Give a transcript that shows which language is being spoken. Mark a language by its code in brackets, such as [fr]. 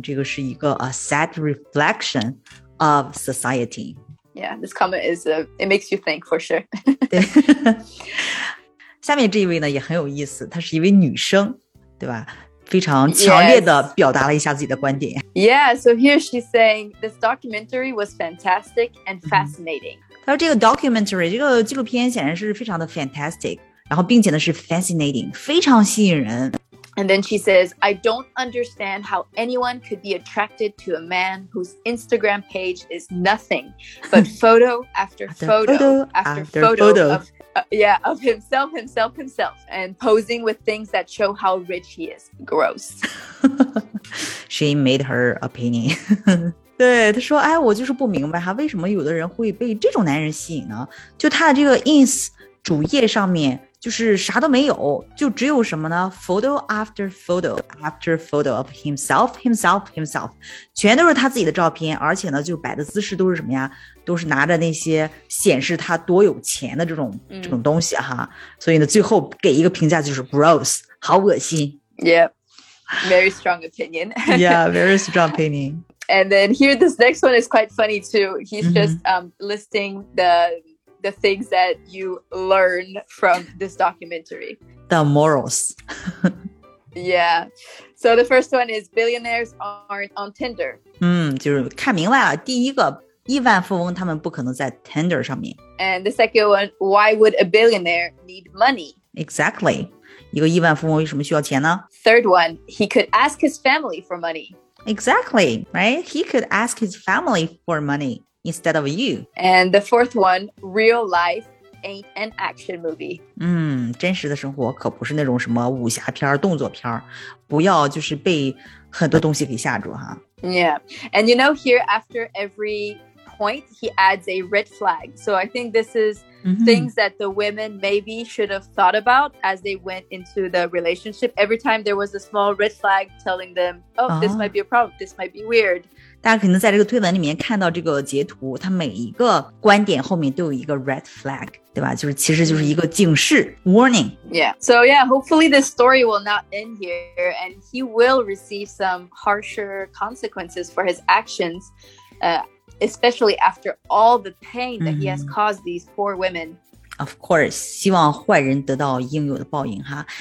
[zh] 这个是一个 [en] a sad reflection of society. Yeah, this comment is a, it makes you think for sure. [zh] 对。下面这位呢也很有意思，她是一位女生，对吧？非常强烈地表达了一下自己的观点。 [en] Yes. Yeah, so here she's saying, this documentary was fantastic and fascinating. [zh] 她说这个 documentary, 这个纪录片显然是非常的 fantastic, 然后并且呢是 fascinating, 非常吸引人。 [en] And then she says, I don't understand how anyone could be attracted to a man whose Instagram page is nothing but photo after photo after photo of,of himself, and posing with things that show how rich he is. Gross. She made her opinion. [zh] 对，她说，哎，我就是不明白哈，为什么有的人会被这种男人吸引呢？就他的这个 ins 主页上面就是啥都没有，就只有什么呢 ？ [en] Photo after photo after photo of himself, [zh] 全都是他自己的照片，而且呢，就摆的姿势都是什么呀？都是拿着那些显示他多有钱的这种东西哈。所以呢，最后给一个评价就是 gross, 好恶心。 [en] Yeah, very strong opinion. Yeah, very strong opinion. And then here, this next one is quite funny too. He's just listing the things that you learn from this documentary. The morals. Yeah. So the first one is billionaires aren't on Tinder. [zh] 就是看明白了，第一个，亿万富翁他们不可能在 Tinder 上面。 [en] And the second one, why would a billionaire need money? Exactly. [zh] 一个亿万富翁为什么需要钱呢？ [en] Third one, he could ask his family for money. Exactly, right? He could ask his family for money. Instead of you. And the fourth one, real life ain't an action movie. [zh] 真实的生活可不是那种什么武侠片动作片，不要就是被很多东西给吓住哈。 [en] Yeah. And you know, here after every point, he adds a red flag. So I think this is things that the women maybe should have thought about as they went into the relationship. Every time there was a small red flag telling them, oh, this might be a problem, this might be weird. [zh] 大家可能在这个推文里面看到这个截图，它每一个观点后面都有一个 red flag, 对吧？就是其实就是一个警示 warning. [en] Yeah. So yeah, hopefully this story will not end here and he will receive some harsher consequences for his actions, especially after all the pain that he has caused these poor women. Of course, [zh] 希望坏人得到应有的报应哈。